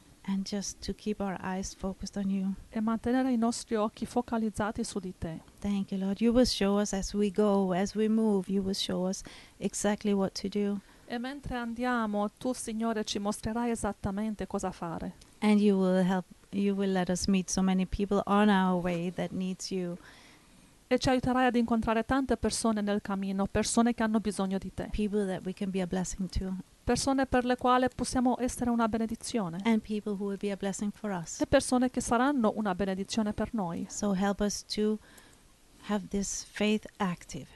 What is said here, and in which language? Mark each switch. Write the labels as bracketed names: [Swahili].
[English] And just to keep our eyes focused on you. [Italian] E mantenere i nostri occhi focalizzati su di te. [English] Thank you, Lord. You will show us as we go, as we move. You will show us exactly what to do. [Italian] E mentre andiamo, tu, Signore, ci mostrerai esattamente cosa fare. [English] And you will help, you will let us meet so many people on our way that needs you. [Italian] E ci aiuterai ad incontrare tante persone nel cammino, persone che hanno bisogno di te. [English] People that we can be a blessing to. [Italian] Persone per le quali possiamo essere una benedizione. [English] And people who will be a blessing for us. [Italian] E persone che saranno una benedizione per noi. [English] So help us to have this faith active.